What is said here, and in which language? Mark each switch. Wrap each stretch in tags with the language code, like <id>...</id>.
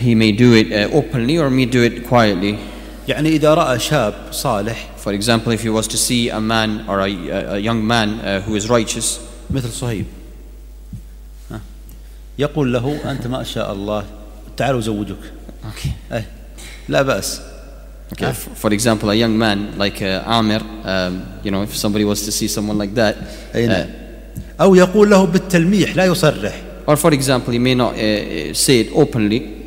<en>He may do it openly or may do it quietly.</en> <ar>يعني إذا رأى شاب صالح.</ar> <en>For example, if he was to see a man or a young man who is righteous.</en> <ar>مثل صهيب. يقول له أنت ما شاء الله تعال وزوجك.</ar> <en>Okay.</en> <ar>لا بأس.</ar> <en>Okay. For example, a young man like Amir, you know, if somebody was to see someone like that.</en> <ar>أو يقول له بالتلميح لا يصرح.</ar> <en>Or for example, he may not say it openly.</en>